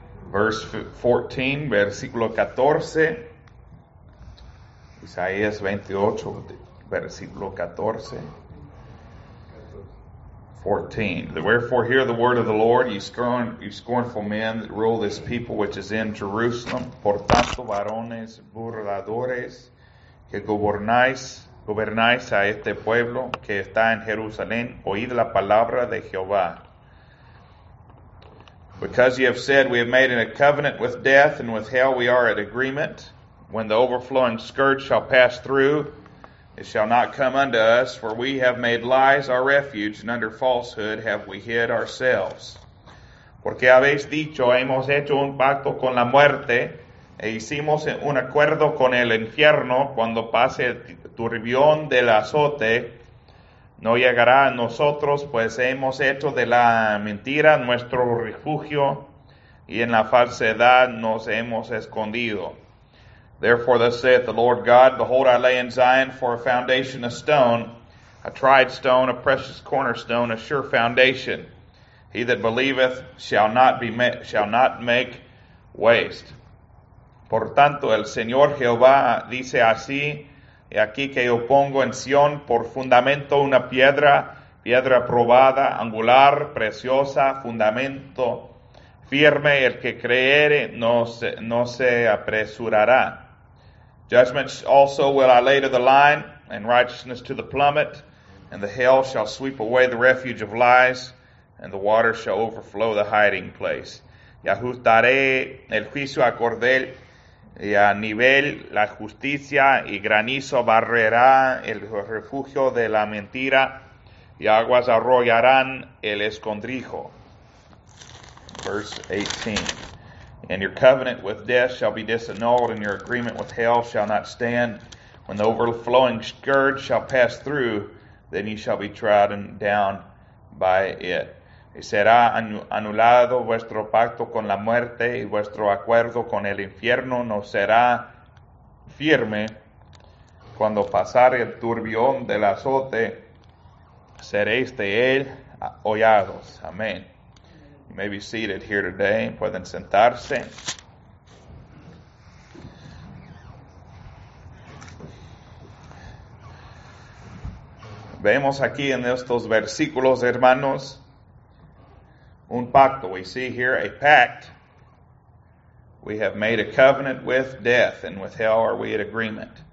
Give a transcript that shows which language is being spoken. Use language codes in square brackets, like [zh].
[en] Verse 14, [es] versículo 14. Isaías 28, versículo 14. 14. [en] Wherefore hear the word of the Lord, ye scornful men that rule this people which is in Jerusalem. [es] Por tanto, varones burladores que gobernáis a este pueblo que está en Jerusalén, oíd la palabra de Jehová. [en] Because ye have said, we have made a covenant with death, and with hell we are at agreement. When the overflowing scourge shall pass through, it shall not come unto us, for we have made lies our refuge, and under falsehood have we hid ourselves. [es] Porque habéis dicho, hemos hecho un pacto con la muerte, e hicimos un acuerdo con el infierno. Cuando pase el turbión del azote, no llegará a nosotros, pues hemos hecho de la mentira nuestro refugio, y en la falsedad nos hemos escondido. [en] Therefore thus saith the Lord God, behold, I lay in Zion for a foundation a stone, a tried stone, a precious cornerstone, a sure foundation. He that believeth shall not make waste. [es] Por tanto, el Señor Jehová dice así, y aquí que yo pongo en Sion por fundamento una piedra, piedra probada, angular, preciosa, fundamento firme, el que creere no se apresurará. [en] Judgment also will I lay to the line, and righteousness to the plummet, and the hail shall sweep away the refuge of lies, and the water shall overflow the hiding place. [es] Y ajustaré el juicio a cordel, y a nivel la justicia, y granizo barrerá el refugio de la mentira, y aguas arrollarán el escondrijo. [en] Verse 18. And your covenant with death shall be disannulled, and your agreement with hell shall not stand. When the overflowing scourge shall pass through, then you shall be trodden down by it. [es] Y será anulado vuestro pacto con la muerte, y vuestro acuerdo con el infierno no será firme. Cuando pasare el turbión del azote, seréis de él hollados. Amén. [en] You may be seated here today. [es] Pueden sentarse. Vemos aquí en estos versículos, hermanos, un pacto. [en] We see here a pact. We have made a covenant with death, and with hell are we at agreement.